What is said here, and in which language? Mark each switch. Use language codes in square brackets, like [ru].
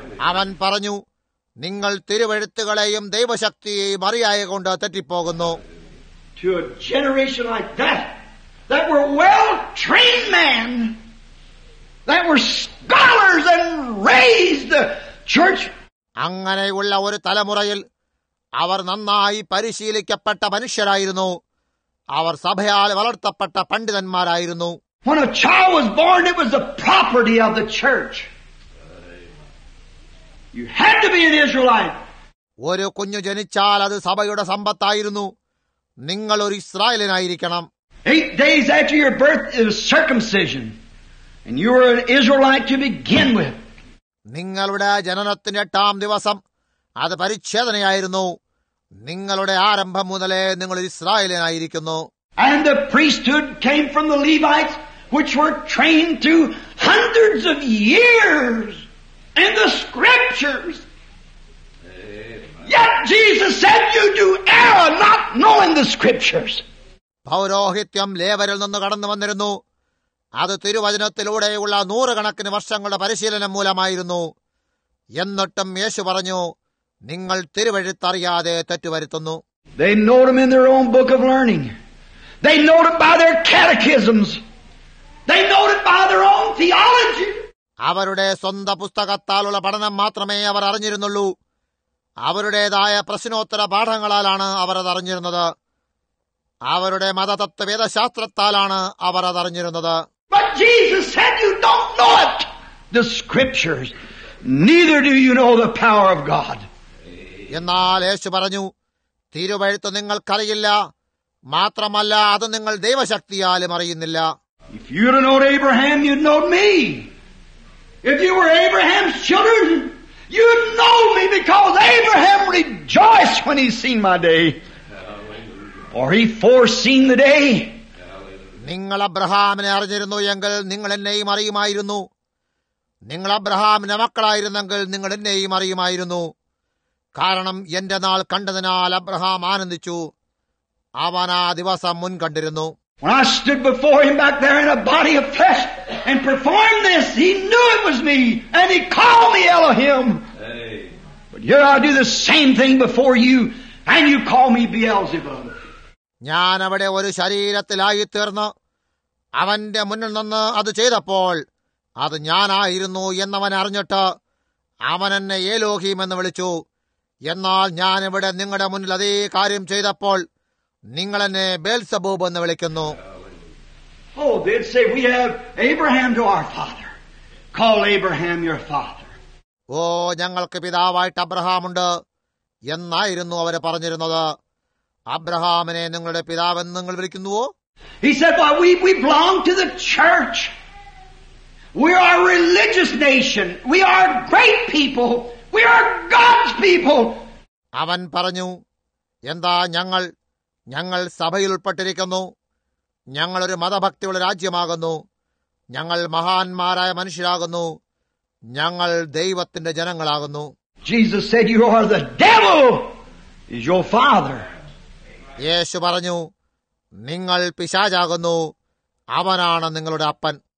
[ml] അവൻ പറഞ്ഞു, നിങ്ങൾ തിരുവെഴുത്തുകളെയും ദൈവശക്തിയെയും അറിയായകൊണ്ട് തെറ്റിപ്പോകുന്നു. [en] To a generation like that, that were well-trained men, that were scholars and raised the church. [ml] അങ്ങനെയുള്ള ഒരു തലമുറയിൽ അവർ നന്നായി പരിശീലിക്കപ്പെട്ട മനുഷ്യരായിരുന്നു. അവർ സഭയാൽ വളർത്തപ്പെട്ട പണ്ഡിതന്മാരായിരുന്നു. [en] When a child was born, it was the property of the church. You had to be an Israelite. [ml] ഒരു കുഞ്ഞു ജനിച്ചാൽ അത് സഭയുടെ സമ്പത്തായിരുന്നു. നിങ്ങൾ ഒരു ഇസ്രായേലിനായിരിക്കണം. [en] 8 days after your birth is circumcision. And you were an Israelite to begin with. [ml] നിങ്ങളുടെ ജനനത്തിന് 8-ാം ദിവസം അത് പരിച്ഛേദനയായിരുന്നു. നിങ്ങളുടെ ആരംഭം മുതലേ നിങ്ങൾ ഇസ്രായേലിനായിരിക്കുന്നു. [en] And the priesthood came from the Levites, which were trained to hundreds of years in the scriptures. Yet Jesus said, you do error not knowing the scriptures. [ml] പൗരോഹിത്യം ലേവരിൽ നിന്ന് കടന്നു വന്നിരുന്നു. അത് തിരുവചനത്തിലൂടെയുള്ള 100 കണക്കിന് വർഷങ്ങളുടെ പരിശീലനം മൂലമായിരുന്നു. എന്നിട്ടും യേശു പറഞ്ഞു, നിങ്ങൾ തിരുവഴുത്തറിയാതെ തെറ്റുവരുത്തുന്നു. [en] They know them in their own book of learning. They know them by their catechisms. They know them by their own theology. [ml] അവരുടെ സ്വന്തം പുസ്തകത്താലുള്ള പഠനം മാത്രമേ അവർ അറിഞ്ഞിരുന്നുള്ളൂ. അവരുടേതായ പ്രശ്നോത്തര പാഠങ്ങളാലാണ് അവർ അതറിഞ്ഞിരുന്നത്. അവരുടെ മതതത്വവേദശാസ്ത്രത്താലാണ് അവർ അതറിഞ്ഞിരുന്നത്. [en] But Jesus said you don't know it. The scriptures. Neither do you know the power of God. [ml] എന്നാൽ യേശു പറഞ്ഞു, തിരുവെഴുത്ത് നിങ്ങൾക്കറിയില്ല. മാത്രമല്ല അത് നിങ്ങൾ ദൈവശക്തിയാലും അറിയുന്നില്ല. [en] If you had known Abraham, you'd know me. If you were Abraham's children, you'd know me because Abraham rejoiced when he seen my day. For he foreseen the day. [ml] നിങ്ങൾ അബ്രഹാമിനെ അറിഞ്ഞിരുന്നു എങ്കിൽ നിങ്ങൾ എന്നെയും അറിയുമായിരുന്നു. നിങ്ങൾ അബ്രഹാമിന്റെ മക്കളായിരുന്നെങ്കിൽ നിങ്ങൾ എന്നെയും അറിയുമായിരുന്നു. കാരണം എന്റെ നാൾ കണ്ടതിനാൽ അബ്രഹാം ആനന്ദിച്ചു. അവൻ ആ ദിവസം മുൻകണ്ടിരുന്നു. [en] When I stood before him back there in a body of flesh and performed this, he knew it was me, and he called me Elohim. But here I do the same thing before you, and you call me Beelzebub. [ml] ഞാൻ അവിടെ ഒരു ശരീരത്തിലായി തീർന്നു. അവന്റെ മുന്നിൽ നിന്ന് അത് ചെയ്തപ്പോൾ അത് ഞാനായിരുന്നു എന്നവൻ അറിഞ്ഞിട്ട് അവൻ എന്നെ ഏലോഹീം എന്ന് വിളിച്ചു. എന്നാൽ ഞാൻ ഇവിടെ നിങ്ങളുടെ മുന്നിൽ അതേ കാര്യം ചെയ്തപ്പോൾ നിങ്ങൾ എന്നെ ബേൽസബൂബ് എന്ന് വിളിക്കുന്നു. [en] Oh, they'd say we have Abraham to our father. Call Abraham your father. [ml] ഓ, ഞങ്ങൾക്ക് പിതാവായിട്ട് അബ്രഹാം ഉണ്ട് എന്നായിരുന്നു അവർ പറഞ്ഞിരുന്നത്. അബ്രഹാമിനെ നിങ്ങളുടെ പിതാവെന്ന് നിങ്ങൾ വിളിക്കുന്നുവോ? [en] He said, well, we belong to the church. We are a religious nation. We are great people. We are God's people. [ml] അവൻ പറഞ്ഞു, എന്താ ഞങ്ങൾ സഭയിൽ ഉൾപ്പെട്ടിരിക്കുന്നു. ഞങ്ങളൊരു മതഭക്തിയുള്ള രാജ്യമാകുന്നു. ഞങ്ങൾ മഹാന്മാരായ മനുഷ്യരാകുന്നു. ഞങ്ങൾ ദൈവത്തിന്റെ ജനങ്ങളാകുന്നു. [en] Jesus said, you are the devil is your father. [ml] യേശു പറഞ്ഞു, നിങ്ങൾ പിശാചാകുന്നു, അവനാണ് നിങ്ങളുടെ അപ്പൻ.